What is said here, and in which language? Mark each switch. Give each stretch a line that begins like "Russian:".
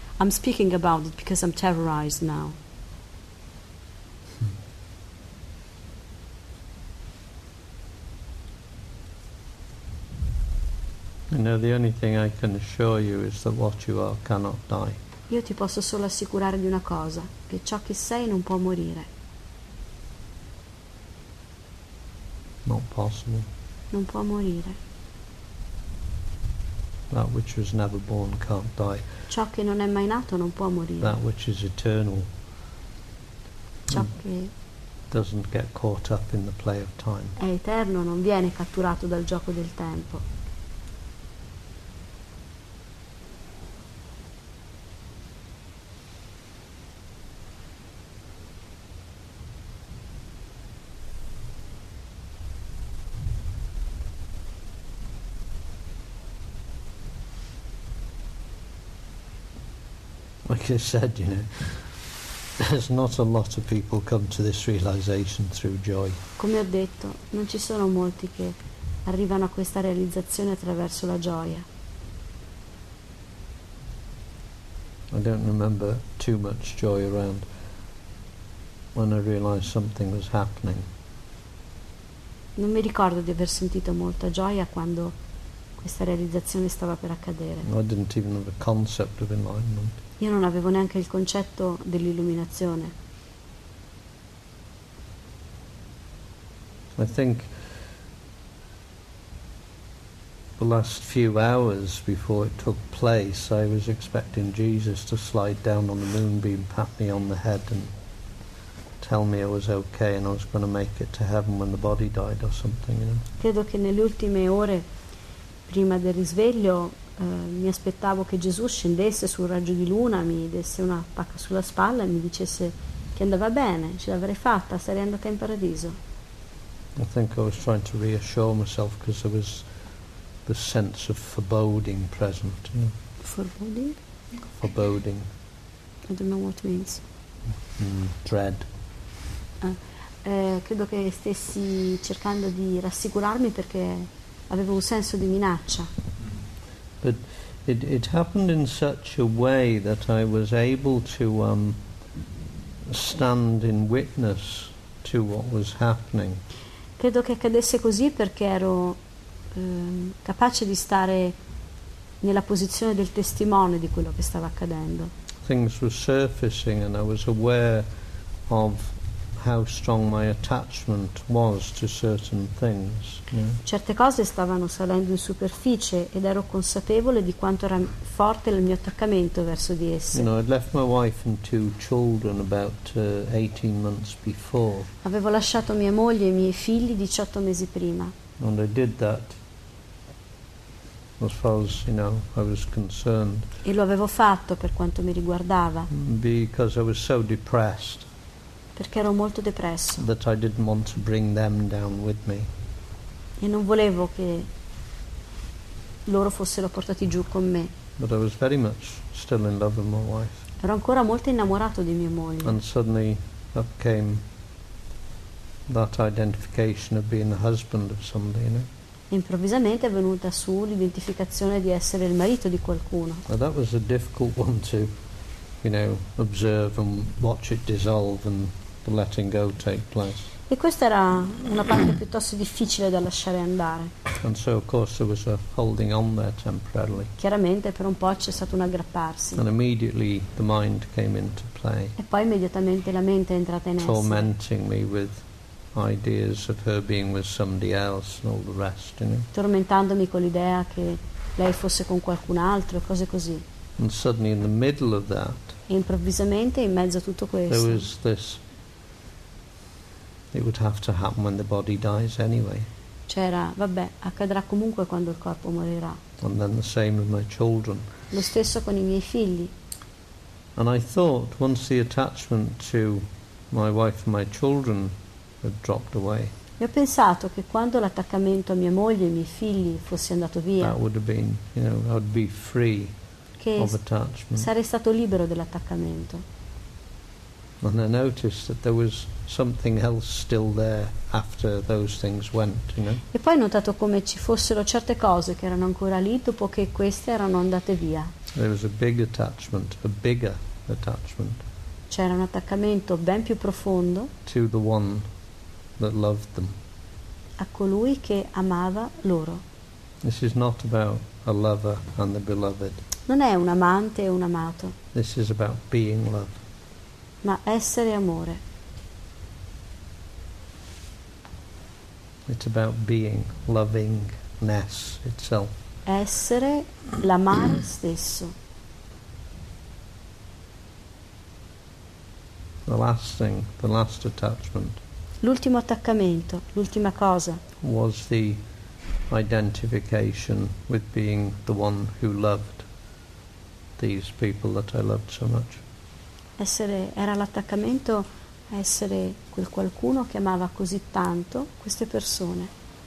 English: I'm speaking about it because I'm terrorized now. You know, the only thing I can assure you is that what you are cannot die.
Italian: Io ti posso solo assicurare di una cosa, che ciò che sei non può morire.
English: Not possible.
Italian: Non può morire.
English: That which was never born can't die.
Italian: Ciò che non è mai nato non può morire.
English: That which is eternal.
Italian: Ciò che
English: doesn't get caught up in the play of time.
Italian: È eterno, non viene catturato dal gioco del tempo.
English: Like I said, you know, there's not a lot of people come to this realization through joy.
Italian: Come ho detto, non ci sono molti che arrivano a questa realizzazione attraverso la gioia.
English: I don't remember too much joy around when I realized something was happening.
Italian: Non mi ricordo di aver sentito molta gioia quando questa realizzazione stava per accadere.
English: I didn't even have a concept of enlightenment.
Italian: Io non avevo neanche il concetto dell'illuminazione.
English: I think the last few hours before it took place, I was expecting Jesus to slide down on the moonbeam, pat me on the head and tell me I was okay and I was going to make it to heaven when the body died or something, you know.
Italian: Credo che nelle ultime ore prima del risveglio mi aspettavo che Gesù scendesse sul raggio di luna, mi desse una pacca sulla spalla e mi dicesse che andava bene, ce l'avrei fatta, sarei andata in paradiso.
English: I think I was trying to reassure myself because there was the sense of foreboding present. You know? Foreboding? Foreboding. I don't know what it means. Dread.
Italian: Credo che stessi cercando di rassicurarmi perché avevo un senso di minaccia.
English: But it happened in such a way that I was able to stand in witness to what was happening.
Italian: Credo che accadesse così perché ero capace di stare nella posizione del testimone di quello che stava accadendo.
English: Things were surfacing and I was aware of how strong my attachment was to certain things. Yeah.
Italian: Certe cose stavano salendo in superficie ed ero consapevole di quanto era forte il mio attaccamento verso di esse.
English: You know, I'd left my wife and two children about 18 months before.
Italian: Avevo lasciato mia moglie e i miei figli 18 mesi prima.
English: And I did that as far as, you know, I was concerned.
Italian: E lo avevo fatto per quanto mi riguardava.
English: Because I was so depressed.
Italian: Perché ero molto depresso.
English: That I didn't want to bring them down with me.
Italian: E non volevo che loro fossero portati giù con me.
English: But I was very much still in love with my wife.
Italian: Ero ancora molto innamorato di mia moglie.
English: And suddenly up came that identification of being the husband of somebody, you know?
Italian: E improvvisamente è venuta su l'identificazione di essere il marito di qualcuno.
English: Now that was a difficult one to, you know, observe and watch it dissolve and the letting go take place.
Italian: E questa era una parte piuttosto difficile da lasciare andare.
English: And so of course there was a holding on there temporarily.
Italian: Chiaramente per un po' c'è stato un aggrapparsi.
English: And immediately the mind came into play.
Italian: E poi immediatamente la mente è entrata in essere.
English: Tormenting me with ideas of her being with somebody else and all the rest, you know.
Italian: Tormentandomi con l'idea che lei fosse con qualcun altro, cose così.
English: And suddenly in the middle of that,
Italian: improvvisamente in mezzo a tutto questo,
English: there was this It would have to happen when the body dies anyway.
Italian: C'era, vabbè, accadrà comunque quando il corpo morirà.
English: And then the same with my children.
Italian: Lo stesso con I miei figli.
English: And I thought once the attachment to my wife and my children had dropped away.
Italian: E ho pensato che quando l'attaccamento a mia moglie e I miei figli fosse andato via,
English: that would have been, you know, I'd be free of attachment.
Italian: Sarei stato libero dell'attaccamento.
English: And I noticed that there was something else still there after those things went, you know.
Italian: E poi ho notato come ci fossero certe cose che erano ancora lì dopo che queste erano andate via.
English: There was a big attachment, a bigger attachment.
Italian: C'era un attaccamento ben più profondo.
English: To the one that loved them.
Italian: A colui che amava loro.
English: This is not about a lover and the beloved.
Italian: Non è un amante e un amato.
English: This is about being love.
Italian: Ma essere amore.
English: It's about being lovingness itself.
Italian: Essere l'amare stesso.
English: The last thing, the last attachment.
Italian: L'ultimo attaccamento, l'ultima cosa.
English: Was the identification with being the one who loved these people that I loved so much.
Italian: Essere, era l'attaccamento a essere quel qualcuno che amava così tanto queste persone.